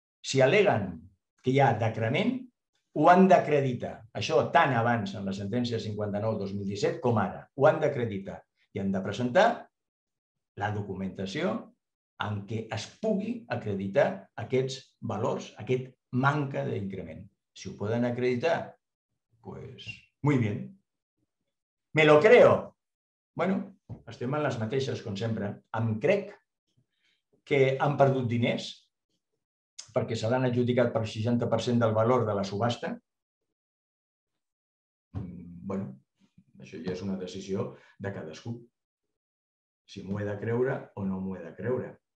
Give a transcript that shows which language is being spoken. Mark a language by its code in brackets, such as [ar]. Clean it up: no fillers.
[ca] Si aleguen que hi ha decrement, ho han d'acreditar. Això tant abans en la sentència 59-2017 com ara. Ho han d'acreditar. I han de presentar la documentació en què es pugui acreditar aquests valors, aquest manca d'increment. Si ho poden acreditar, pues, [es] muy bien. Me lo creo. [ca] Bueno, estem en les mateixes, com sempre. Em crec que han perdut diners perquè se l'han adjudicat per 60% del valor de la subhasta. Bueno, això ja és una decisió de cadascú. Si m'ho he de creure o no m'ho he de creure.